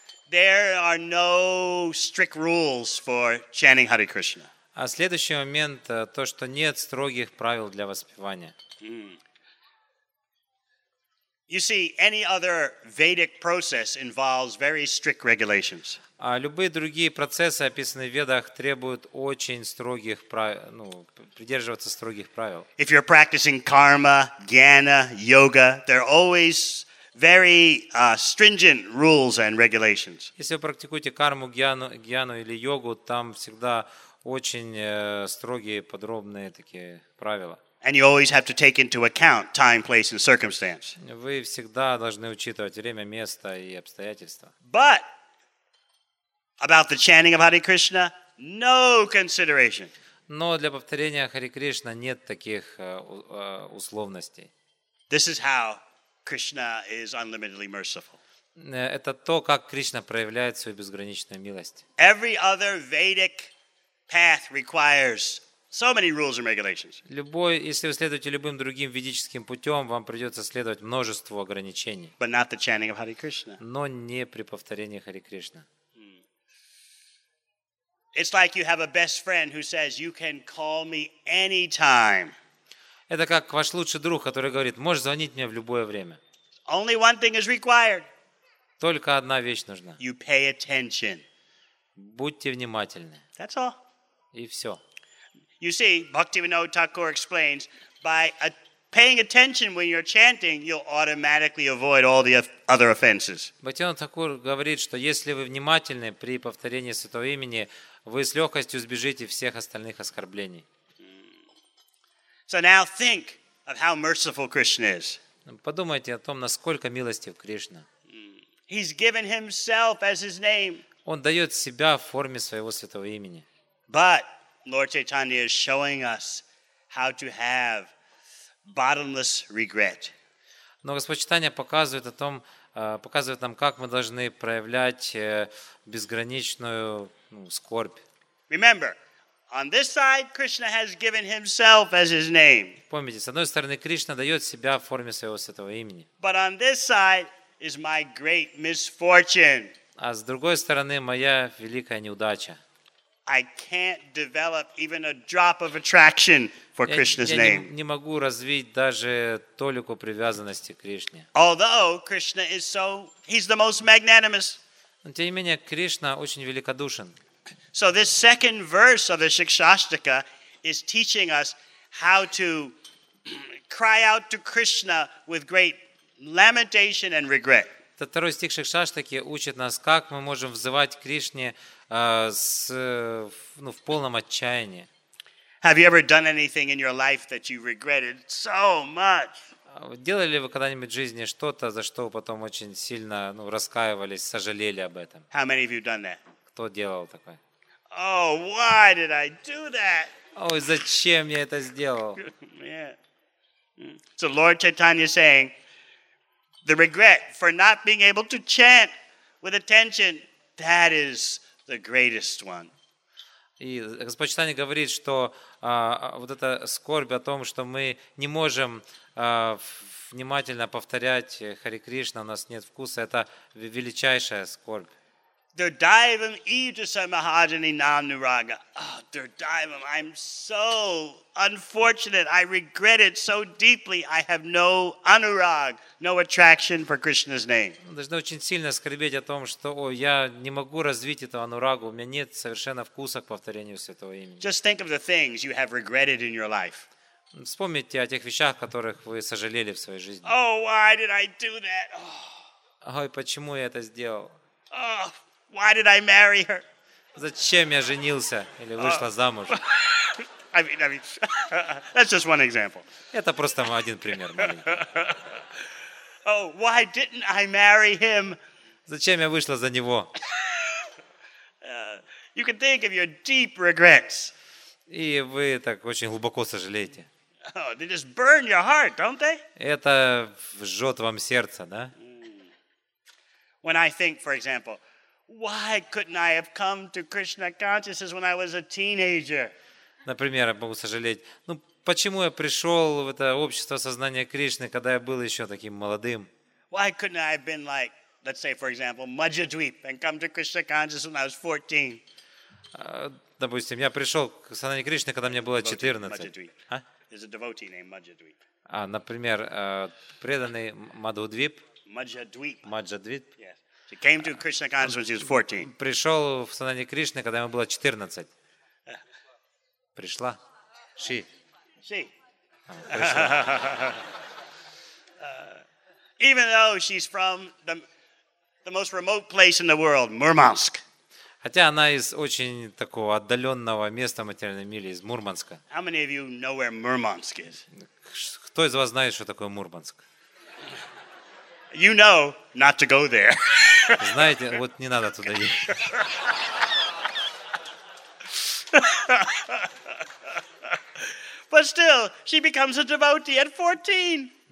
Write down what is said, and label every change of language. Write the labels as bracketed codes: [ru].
[en] There are no strict rules for chanting Hare Krishna. [ru] А следующий момент, то, что нет строгих правил для воспевания. [en] You see, any other Vedic process involves very strict regulations. [ru] А любые другие процессы, описанные в Ведах, требуют очень строгих правил, ну, придерживаться строгих правил. [en] If you're practicing karma, jnana, yoga, there are always very stringent rules and regulations. [ru] Если вы практикуете карму, гьяну или йогу, там всегда очень строгие, подробные такие правила. [en] And you always have to take into account time, place, and circumstance. [ru] Вы всегда должны учитывать время, место и обстоятельства. [en] But about the chanting of Hare Krishna, no consideration. [ru] Но для повторения Hare Krishna нет таких условностей. [en] This is how Krishna is unlimitedly merciful. [ru] Это то, как Кришна проявляет свою безграничную милость. [en] Every other Vedic path requires so many rules and regulations. [ru] Любой, если вы следуете любым другим ведическим путем, вам придется следовать множеству ограничений. [en] But not the chanting of Hare Krishna. [ru] Но не при повторении Hare Krishna. [en] It's like you have a best friend who says you can call me anytime. [ru] Это как ваш лучший друг, который говорит, можешь звонить мне в любое время. [en] Only one thing is required. [ru] Только одна вещь нужна. [en] You pay attention. [ru] Будьте внимательны. [en] That's all. [ru] И все. [en] You see, Bhaktivinoda Thakur explains, by paying attention when you're chanting, you'll automatically avoid all the other offenses. [ru] Бхактивинода Такур говорит, что если вы внимательны при повторении святого имени, вы с легкостью сбежите всех остальных оскорблений. [en] So now think of how merciful Krishna is. [ru] Подумайте о том, насколько милостив Кришна. [en] He's given himself as his name. [ru] Он дает себя в форме своего святого имени. [en] But Lord Chaitanya is showing us how to have bottomless regret. [ru] Но Господь Чайтанья показывает о том, показывает нам, как мы должны проявлять безграничную скорбь. [en] Remember, on this side Krishna has given himself as his name. [ru] Помните, с одной стороны Кришна дает себя в форме своего святого имени. [en] But on this side is my great misfortune. [ru] А с другой стороны моя великая неудача. [en] I can't develop even a drop of attraction for Krishna's name. [ru] Я не могу развить даже толику привязанности к Кришне. [en] Although Krishna is he's the most magnanimous. [ru] Но тем не менее Кришна очень великодушен. [en] So this second verse of the Shikshashtaka is teaching us how to cry out to Krishna with great lamentation and regret. [ru] Та второй стих Шикшаштаки учит нас, как мы можем взывать к Кришне в полном отчаянии. [en] Have you ever done anything in your life that you regretted so much? [ru] Делали ли вы когда-нибудь в жизни что-то, за что потом очень сильно раскаивались, сожалели об этом? [en] How many of you done that? [ru] Кто делал такое? [en] Oh, why did I do that? [ru] Ой, зачем я это сделал? [en] So Lord Chaitanya saying, the regret for not being able to chant with attention, that is the greatest one. [ru] И Господь Чайтанья говорит, что вот эта скорбь о том, что мы не можем внимательно повторять Хари Кришна, у нас нет вкуса, это величайшая скорбь. [en] They're diving into Samahajani Namnuraga. Oh, they're diving. I'm so unfortunate. I regret it so deeply. I have no anurag, no attraction for Krishna's name. [ru] Должны очень сильно скорбеть о том, что я не могу развить эту анурагу. У меня нет совершенно вкуса к повторению святого имени. [en] Just think of the things you have regretted in your life. [ru] Вспомните о тех вещах, которых вы сожалели в своей жизни. [en] Oh, why did I do that? [ru] Ой, почему я это сделал? [en] Why did I marry her? [ru] Зачем я женился или вышла замуж? [en] I mean, that's just one example. [ru] Это просто один пример. [en] Oh, why didn't I marry him? [ru] Зачем я вышла за него? [en] You can think of your deep regrets. [ru] И вы так очень глубоко сожалеете. [en] Oh, they just burn your heart, don't they? [ru] Это жжет вам сердце, да? [en] When I think, for example, why couldn't I have come to Krishna consciousness when I was a teenager? [ru] Например, я могу сожалеть. Почему я пришел в это общество сознания Кришны, когда я был еще таким молодым? [en] Why couldn't I have been like, let's say, for example, Majjhadweep and come to Krishna consciousness when I was 14? [ru] Допустим, я пришел к сознанию Кришны, когда мне было 14. [en] Majjhadweep. There's a devotee named Majjhadweep. [ru] Например, преданный Madhudweep. [en] Majjhadweep. Majjhadweep. Yes. He came to Krishna consciousness when he was 14. [ru] Пришел в сознание Кришны, когда ему было 14. Пришла. [en] She. She. Even though she's from the most remote place in the world, Murmansk. [ru] Хотя она из очень такого отдаленного места в материальном мире, из Мурманска. [en] How many of you know where Murmansk is? [ru] Кто из вас знает, что такое Мурманск? [en] You know not to go there. [ru] Знаете, вот не надо туда идти. [en] But still, she becomes a devotee at 14.